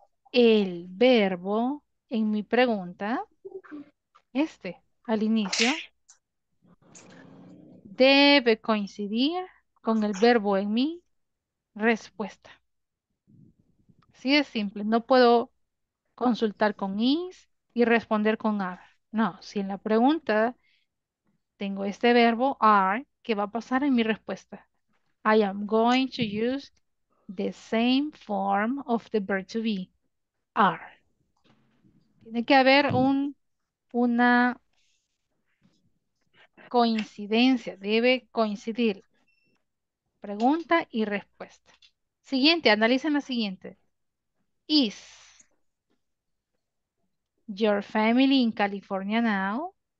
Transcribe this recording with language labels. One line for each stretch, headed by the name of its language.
Spanish: El verbo en mi pregunta, este, al inicio, debe coincidir con el verbo en mi respuesta. Así de simple, no puedo consultar con is y responder con are. No, si en la pregunta tengo este verbo are, ¿qué va a pasar en mi respuesta?
English: I am going to use the same form of the verb to be, are.
Spanish: Tiene que haber una coincidencia, debe coincidir pregunta y respuesta. Siguiente, analicen la siguiente.
English: Is your family in California now?